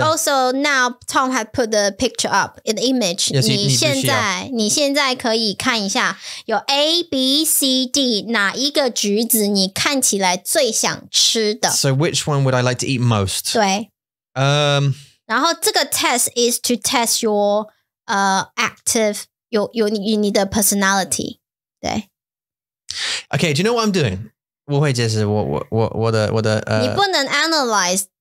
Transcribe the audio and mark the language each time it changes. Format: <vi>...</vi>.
<en>also now Tom has put the picture up, an image. Yes, 你</en> <zh>现在你现在可以看一下有 A, B, C, D, 哪一个橘子你看起来最想吃的。</zh> <en>So which one would I like to eat most?</en> <zh>对。然</zh> <en>后这个 test is to test your active, your need a personality.</en> <zh>对。</zh> <en>Okay, do you know what I'm doing? 我会解释我的</en> <zh>你不能 analyze.</zh>